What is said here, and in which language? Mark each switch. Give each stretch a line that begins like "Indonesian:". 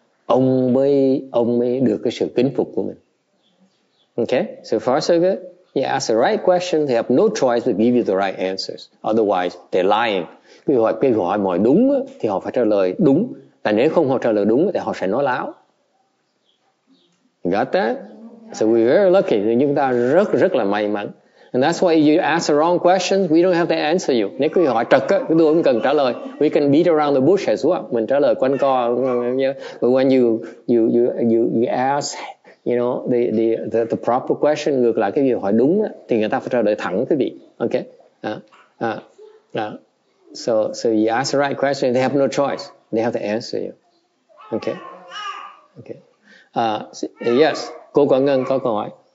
Vietnamese: Ông mới được cái sự kính phục của mình.
English: Okay, so far so good. You ask the right question, they have no choice but give you the right answers. Otherwise, they're lying.
Vietnamese: Cái hỏi mọi đúng thì họ phải trả lời đúng. Tại nếu không họ trả lời đúng thì họ sẽ nói láo.
English: Got that? So we're very lucky.
Vietnamese: Chúng ta rất rất là may mắn.
English: And that's why you ask the wrong question, we don't have to answer you.
Vietnamese: Nếu quý vị hỏi trật, chúng tôi không cần trả lời.
English: We can beat around the bush as well.
Vietnamese: Mình trả lời quanh co.
English: But when you ask, you know, the proper question,
Vietnamese: ngược lại cái gì hỏi đúng, thì người ta phải trả lời thẳng quý vị.
English: Okay? So you ask the right question, they have no choice. They have to answer you. Okay? Okay.
Vietnamese: Yes, cô Quảng Ngân có câu hỏi.